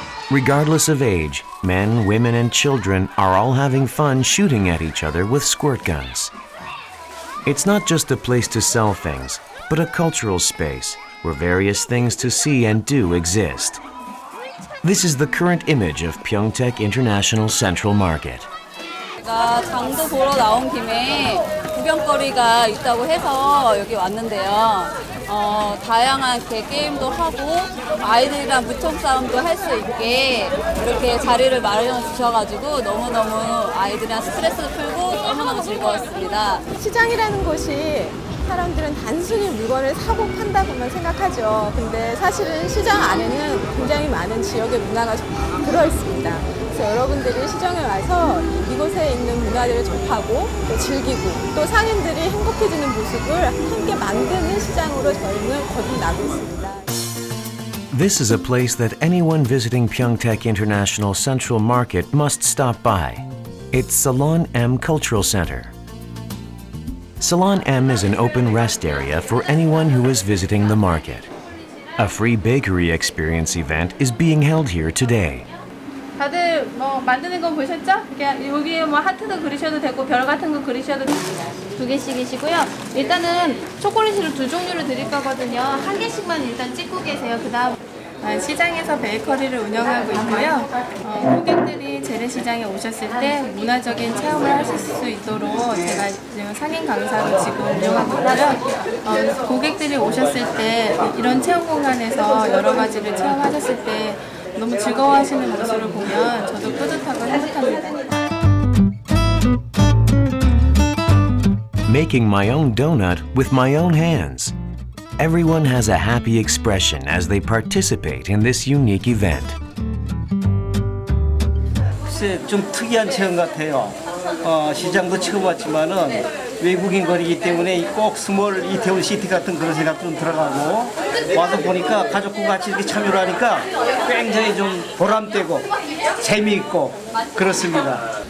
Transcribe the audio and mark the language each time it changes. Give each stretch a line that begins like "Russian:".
English: Regardless of age, men, women, and children are all having fun shooting at each other with squirt guns. It's not just a place to sell things, but a cultural space where various things to see and do exist. This is the current image of Pyeongtaek International Central Market.
Korean: 제가 장도 보러 나온 김에 구경거리가 있다고 해서 여기 왔는데요. 다양한 게임도 하고 아이들이랑 무총싸움도 할 수 있게 이렇게 자리를 마련해 주셔가지고 너무너무 아이들이랑 스트레스도 풀고 너무너무 즐거웠습니다. 시장이라는 곳이 사람들은 단순히 물건을 사고 판다고만 생각하죠. 근데 사실은 시장 안에는 굉장히 많은 지역의 문화가 들어있습니다. 그래서 여러분들이 시장에 와서 이곳에 있는 문화들을 접하고 또 즐기고 또 상인들이 행복해지는 모습을 함께 만드는 시장으로 저희는 거듭나고 있습니다.
English: This is a place that anyone visiting Pyeongtaek International Central Market must stop by. It's Salon M Cultural Center. Salon M is an open rest area for anyone who is visiting the market. A free bakery experience event is being held here today.
Korean: 다들 뭐 만드는 거 보셨죠? 이렇게 여기에 뭐 하트도 그리셔도 되고 별 같은 거 그리셔도 됩니다. 두 개씩이시고요. 일단은 초콜릿을 두 종류로 드릴 거거든요. 한 개씩만 일단 찍고 계세요. 그다음 시장에서 베이커리를 운영하고 있고요. 고객들이 재래시장에 오셨을 때 문화적인 체험을 하실 수 있도록 제가 지금 상인 강사로 지금 운영하고 있고요. 고객들이 오셨을 때 이런 체험 공간에서 여러 가지를 체험하셨을 때 너무 즐거워하시는 모습을 보면 저도 뿌듯하고 행복합니다.
English: Making my own donut with my own hands. Everyone has a happy expression as they participate in this unique event.
Korean: 글쎄, 좀 특이한 체험 같아요. 시장도 처음 왔지만은 외국인 거리기 때문에 꼭 스몰 이태원 시티 같은 그런 생각도 좀 들어가고 와서 보니까 가족과 같이 이렇게 참여를 하니까 굉장히 좀 보람되고 재미있고 그렇습니다.